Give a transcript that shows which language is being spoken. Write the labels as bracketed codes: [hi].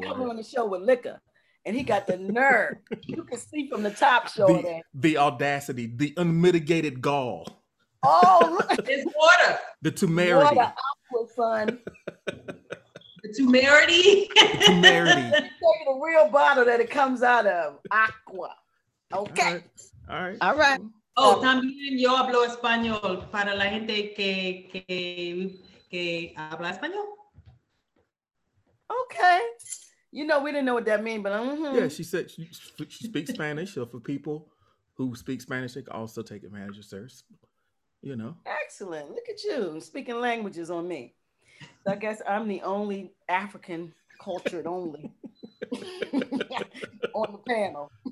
[en] the one coming on the show with liquor. And he got the nerve. You can see from the top show that. The audacity. The unmitigated gall. Oh, look. It's water. The temerity. Water, aqua, son. The temerity. The temerity. The real bottle that it comes out of. Aqua. Okay. All right. [es] Oh, también yo hablo español para la gente que habla español. [en] Okay. You know, we didn't know what that means, but Yeah, she said she speaks Spanish. So for people who speak Spanish, they can also take advantage of service. You know. Excellent. Look at you speaking languages on me. So I guess I'm the only African cultured only on the panel.